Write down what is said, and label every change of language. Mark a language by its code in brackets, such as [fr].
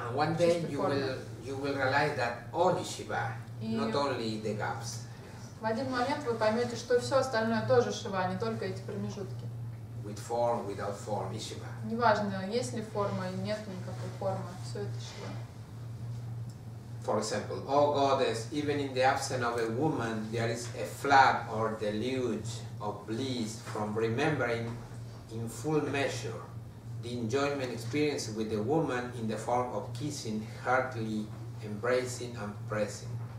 [en] And one day you will realize that only Shiva, not only the gaps. [ru] В один момент вы поймете, что все остальное тоже Шива, не только эти промежутки. [en] With form, without form, is Shiva. [ru] Неважно, есть ли форма или нет никакой формы, все это Шива. [en] For example, oh goddess, even in the absence of a woman, there is a flood or deluge of bliss from remembering in full measure the enjoyment experienced with the woman in the form of kissing, heartily embracing and pressing.